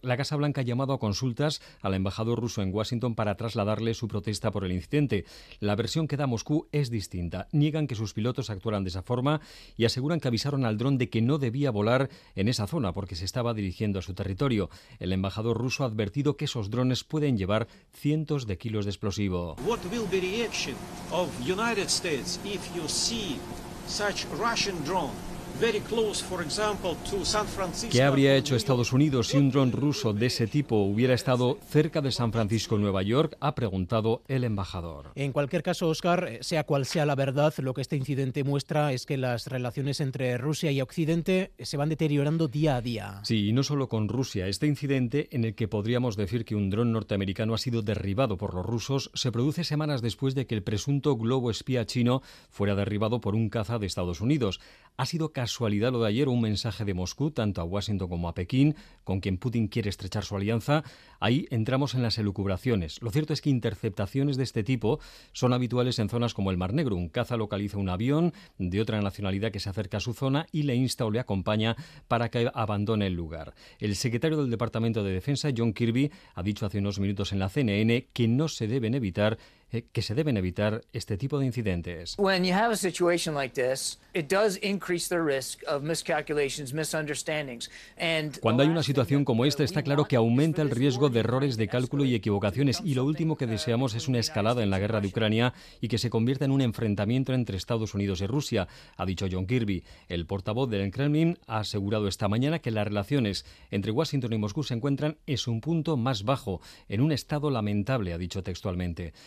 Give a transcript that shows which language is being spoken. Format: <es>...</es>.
<es>La Casa Blanca ha llamado a consultas al embajador ruso en Washington para trasladarle su protesta por el incidente. La versión que da Moscú es distinta. Niegan que sus pilotos actuaran de esa forma y aseguran que avisaron al dron de que no debía volar en esa zona porque se estaba dirigiendo a su territorio. El embajador ruso ha advertido que esos drones pueden llevar cientos de kilos de explosivo.</es> <en>What will be the reaction of United States if you see such Russian drone?</en> <es>¿Qué habría hecho Estados Unidos si un dron ruso de ese tipo hubiera estado cerca de San Francisco, Nueva York?, ha preguntado el embajador. En cualquier caso, Óscar, sea cual sea la verdad, lo que este incidente muestra es que las relaciones entre Rusia y Occidente se van deteriorando día a día. Sí, y no solo con Rusia. Este incidente, en el que podríamos decir que un dron norteamericano ha sido derribado por los rusos, se produce semanas después de que el presunto globo espía chino fuera derribado por un caza de Estados Unidos. ¿Ha sido casualidad lo de ayer, un mensaje de Moscú, tanto a Washington como a Pekín, con quien Putin quiere estrechar su alianza? Ahí entramos en las elucubraciones. Lo cierto es que interceptaciones de este tipo son habituales en zonas como el Mar Negro. Un caza localiza un avión de otra nacionalidad que se acerca a su zona y le insta o le acompaña para que abandone el lugar. El secretario del Departamento de Defensa, John Kirby, ha dicho hace unos minutos en la CNN que no se deben evitar que se deben evitar este tipo de incidentes.</es> <en>When you have a situation like this, it does increase the risk of miscalculations, misunderstandings. And</en> <es>cuando hay una situación como esta, está claro que aumenta el riesgo de errores de cálculo y equivocaciones, y lo último que deseamos es una escalada en la guerra de Ucrania y que se convierta en un enfrentamiento entre Estados Unidos y Rusia, ha dicho John Kirby. El portavoz del Kremlin ha asegurado esta mañana que las relaciones entre Washington y Moscú se encuentran en un punto más bajo, en un estado lamentable, ha dicho textualmente.</es>